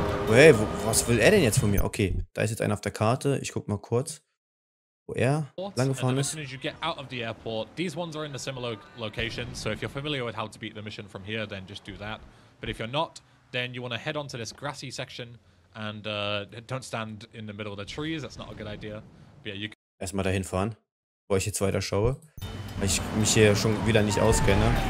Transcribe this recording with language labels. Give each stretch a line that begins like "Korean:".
German: Hey, was will er denn jetzt von mir? Okay, da ist jetzt einer auf der Karte. Ich guck mal kurz, wo er lang gefahren ist.
English: As you get out of the airport, these ones are in a similar location. So if you're familiar with how to beat the mission from here, then just do that. But if you're not, then you want to head onto this grassy section and don't stand in the middle of the trees. That's not a good idea.
German: Erstmal dahin fahren, wo ich jetzt weiter schaue, weil ich mich hier schon wieder nicht auskenne.